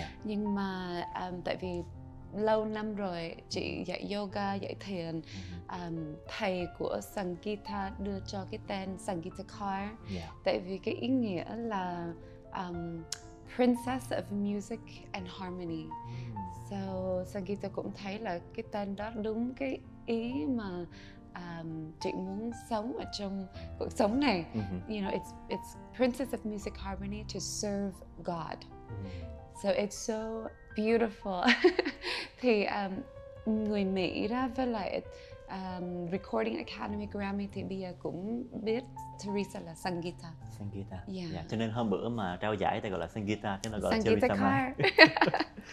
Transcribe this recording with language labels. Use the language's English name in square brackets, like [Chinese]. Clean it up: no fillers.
[Vietnamese] Nhưng mà tại vì lâu năm rồi chị dạy yoga, dạy thiền, thầy của Sangeeta đưa cho cái tên Sangeeta Kaur. Tại vì cái ý nghĩa là [English] Princess of Music and Harmony. [Vietnamese] So Sangeeta cũng thấy là cái tên đó đúng cái ý mà chị muốn sống ở trong cuộc sống này. [English] You know, it's Princess of Music Harmony to serve God. So it's so beautiful. [Vietnamese] Thì người Mỹ đó với lại Recording Academy Grammy thì bây giờ cũng biết Teresa là Sangeeta. Sangeeta. Yeah. Cho nên hôm bữa mà trao giải thì gọi là Sangeeta, chứ là gọi Sangeeta là Teresa Car.